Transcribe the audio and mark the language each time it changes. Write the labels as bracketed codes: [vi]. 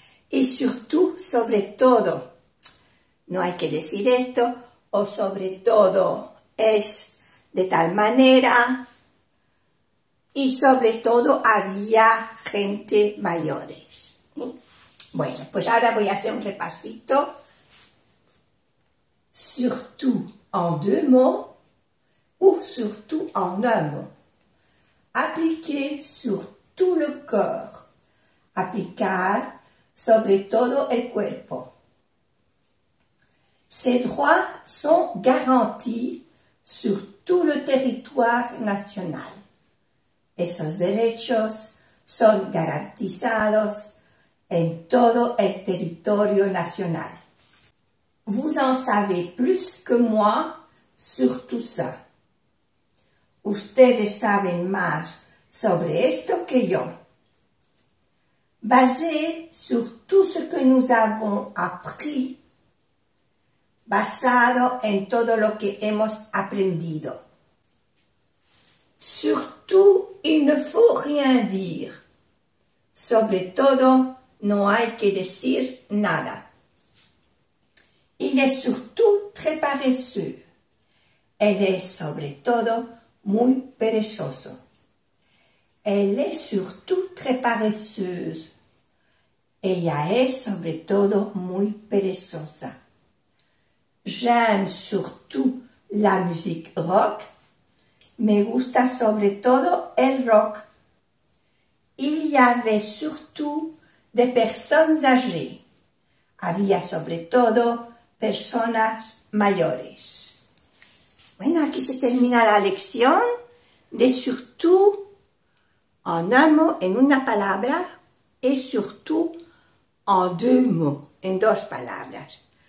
[es] Y surtout, sobre todo. No hay que decir esto. O sobre todo es de tal manera. Y sobre todo había gente mayores. Bueno, pues ahora voy a hacer un repasito. [fr] Surtout en deux mots ou surtout en un mot. Appliqué sur tout le corps. [es] Aplicar sobre todo el cuerpo. [fr] Ces droits sont garantis sur tout le territoire national. [es] Esos derechos son garantizados en todo el territorio nacional. [fr] Vous en savez plus que moi sur tout ça. [es] Ustedes saben más sobre esto que yo. [fr] Basé sur tout ce que nous avons appris. [es] Basado en todo lo que hemos aprendido. [fr] Surtout, il ne faut rien dire. [es] Sobre todo, no hay que decir nada. [fr] Il est surtout très paresseux. Elle est [es] sobre todo muy perezoso. [fr] Elle est surtout très paresseuse. [es] Ella es sobre todo muy perezosa. [fr] J'aime surtout la musique rock. [es] Me gusta sobre todo el rock. [fr] Il y avait surtout des personnes âgées. [es] Había sobre todo personas mayores. Bueno, aquí se termina la lección de [fr] surtout en un mot, [es] en una palabra, y [fr] surtout en deux mots, [es] en dos palabras.